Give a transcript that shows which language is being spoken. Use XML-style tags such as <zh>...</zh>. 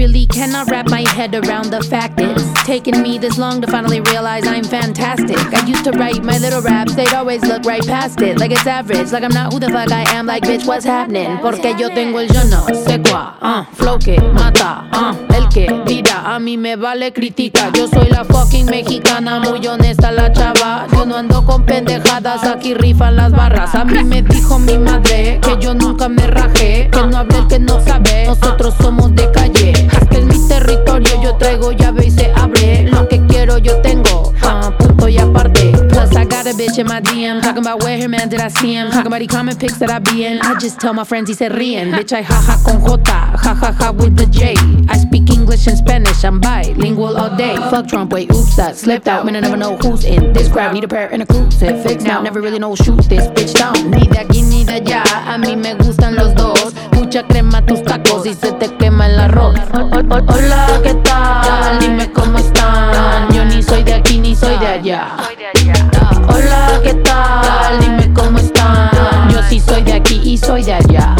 <en>Cannot wrap my head around the fact it's taken me this long to finally realize I'm fantastic. I used to write my little raps, they'd always look right past it. Like it's average, like I'm not who the fuck I am. Like bitch, what's happening?</en> <es>Porque yo tengo el yo no sé cuá, flow que mata, el que mira, a mí me vale crítica. Yo soy la fucking mexicana, muy honesta la chava. Yo no ando con pendejadas, aquí rifan las barras. A mí me dijo mi madre que yo nunca me rajé, que no hable el que no sabe, nosotros somos de calle. Territorio yo traigo, llave y se abre. Lo que quiero yo tengo, punto y aparte.</es> <en>Plus I got a bitch in my DM, talking about where her man did I see him, talking about he comment pics that I be in. I just tell my friends</en> <es>y se ríen.</es> <en>Bitch I</en> <es>jaja con J,</es> <en>jajaja ja with the J. I speak English and Spanish, I'm bilingual all day. Fuck Trump, wait, oops, I slipped out. Man I never know who's in this crowd. Need a prayer and a cruise, it fixed now. Never really know shoot this bitch down.</en> <es>Ni de aquí ni de allá, a mí me gustan los dos. Mucha crema tus tacos y se te quema el arroz. Hola, ¿qué tal? Dime cómo están. Yo ni soy de aquí ni soy de allá. Hola, ¿qué tal? Dime cómo están. Yo sí soy de aquí y soy de allá.</es>